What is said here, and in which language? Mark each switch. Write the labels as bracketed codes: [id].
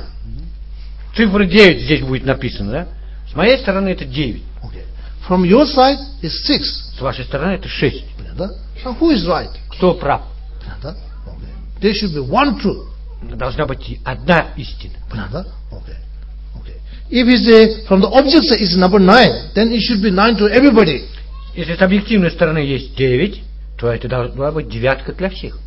[ru] Mm-hmm. Цифра 9 здесь будет написано, да? С моей стороны это 9. [en] Okay. From your side is 6. [ru] С вашей стороны это 6. [en] Да? So who is right? [ru] Кто прав? [en] Да? Okay. There should be one truth. [ru] должна быть одна истина. [en] Another? Okay. Okay. If it's from the object side is number 9, then it should be 9 to everybody. [ru] Если с объективной стороны есть 9, то это должна быть девятка для всех.